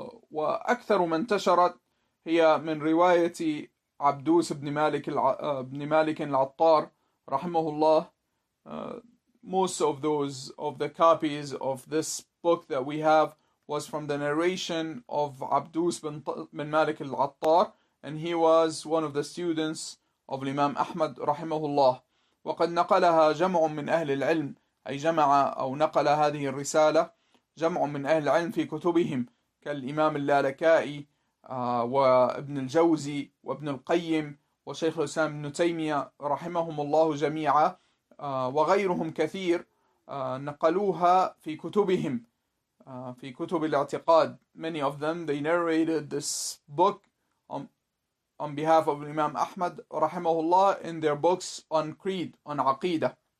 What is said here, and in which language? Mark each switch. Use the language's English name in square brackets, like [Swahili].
[Arabic] وأكثر من انتشرت هي من رواية عبدوس بن مالك العطار rahimahullah. [English] Most of those of the copies of this book that we have was from the narration of عبدوس بن مالك العطار, and he was one of the students of Imam Ahmad rahimahullah. [Arabic] وقد نقلها جمع من أهل العلم, أي جمع أو نقل هذه الرسالة جمع من أهل العلم في كتبهم كالإمام اللالكائي وابن الجوزي وابن القيم وشيخ الإسلام ابن تيمية رحمهم الله جميعا وغيرهم كثير نقلوها في كتبهم في كتب الاعتقاد. [English] Many of them, they narrated this book on behalf of Imam Ahmad rahimahullah in their books on creed, on aqeedah.